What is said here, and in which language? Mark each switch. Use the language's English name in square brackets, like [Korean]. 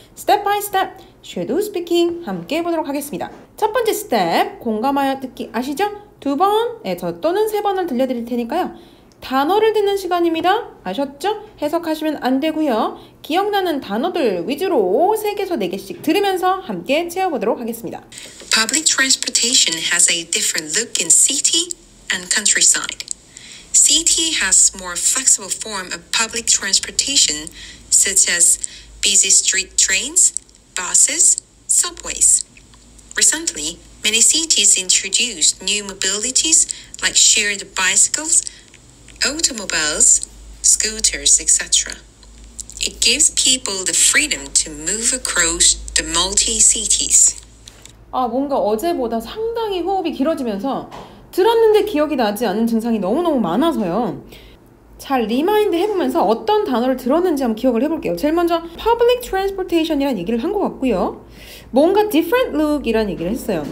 [English] step by step, shadow speaking [Korean] 함께 보도록 하겠습니다. 첫 번째 step, 공감하여 듣기 아시죠? 두 번에서 또는 세 번을 들려드릴 테니까요. 단어를 듣는 시간입니다. 아셨죠? 해석하시면 안 되고요. 기억나는 단어들 위주로 3개에서 4개씩 들으면서 함께 채워보도록 하겠습니다. [English] Public transportation has a different look in city and countryside. City has more flexible form of public transportation such as busy street trains, buses, subways. Recently, many cities introduced new mobilities like shared bicycles, automobiles, scooters, etc. It gives people the freedom to move across the multi-cities. [Korean] 아, 뭔가 어제보다 상당히 호흡이 길어지면서 들었는데 기억이 나지 않는 증상이 너무너무 많아서요. 잘 리마인드 해보면서 어떤 단어를 들었는지 한번 기억을 해볼게요. 제일 먼저 public transportation이라는 얘기를 한 것 같고요. 뭔가 [English] different look [Korean] 이라는 얘기를 했어요.